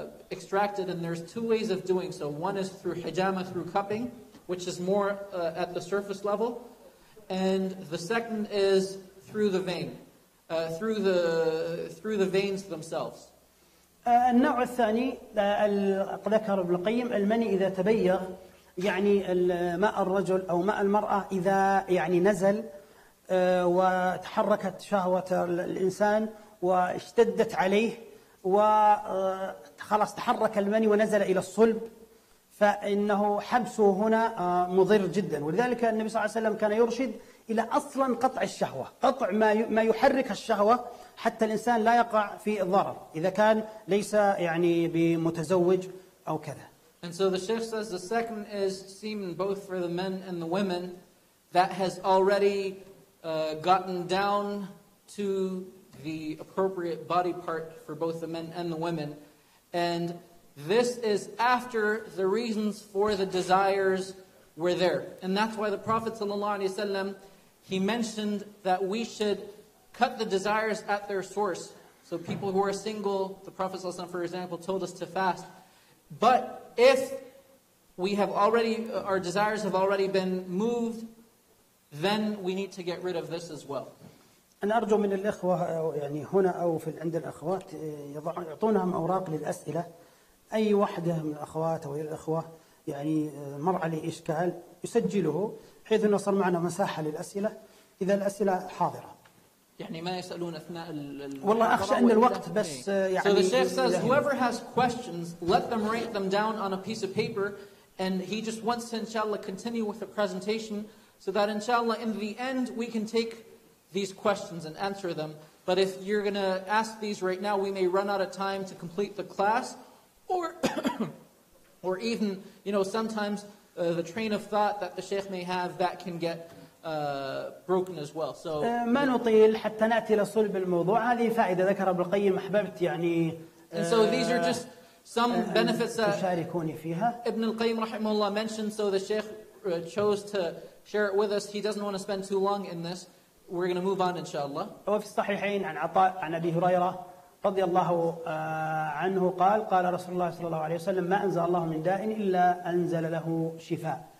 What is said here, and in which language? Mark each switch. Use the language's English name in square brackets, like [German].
[English] extracted, and there's two ways of doing so. One is through hijama, through cupping, which is more at the surface level, and the second is through the vein, through the veins themselves. [Arabic] النوع الثاني ذكر ابن القيم المني إذا تبيغ يعني ماء الرجل أو ماء المرأة إذا يعني نزل وتحركت شهوة الإنسان واشتدت عليه وخلاص تحرك المني ونزل إلى الصلب، فإنه حبسه هنا مضر جدا. ولذلك النبي صلى الله عليه وسلم كان يرشد إلى أصلا قطع الشهوة، قطع ما يحرك الشهوة حتى الإنسان لا يقع في الضرر إذا كان ليس يعني بمتزوج أو كذا. [English] And so the Sheikh says the second is semen both for the men and the women that has already gotten down to the appropriate body part for both the men and the women. And this is after the reasons for the desires were there. And that's why the Prophet ﷺ, he mentioned that we should cut the desires at their source. So people who are single, the Prophet ﷺ, for example, told us to fast. But if we have already, our desires have already been moved, then we need to get rid of this as well. [Arabic] أنا أرجو من الأخوة يعني هنا أو في عند الأخوات يعطونهم أوراق للأسئلة. أي واحدة من الأخوات أو الأخوة يعني مر عليه إشكال يسجله حيث أنه صار معنا مساحة للأسئلة إذا الأسئلة حاضرة. يعني ما يسألون أثناء والله أخشى أن الوقت بس يعني. [English] So the Sheikh says, whoever has questions, let them write them down on a piece of paper, and he just wants to inshallah continue with the presentation so that inshallah in the end we can take these questions and answer them. But if you're going to ask these right now, we may run out of time to complete the class, or or even, you know, sometimes the train of thought that the Sheikh may have that can get broken as well. So [Arabic] ما نطيل حتى نأتي لصلب الموضوع. هذه فائدة ذكرها ابن القيم أحببت يعني. [English] And so these are just some benefits that Ibn al-Qayyim rahimahullah mentioned, so the Sheikh chose to share it with us. He doesn't want to spend too long in this. We're going to move on, inshallah. [Arabic] وفي الصحيحين عن عطاء عن أبي هريرة رضي الله عنه قال قال رسول الله صلى الله عليه وسلم ما أنزل الله من داء إلا أنزل له شفاء.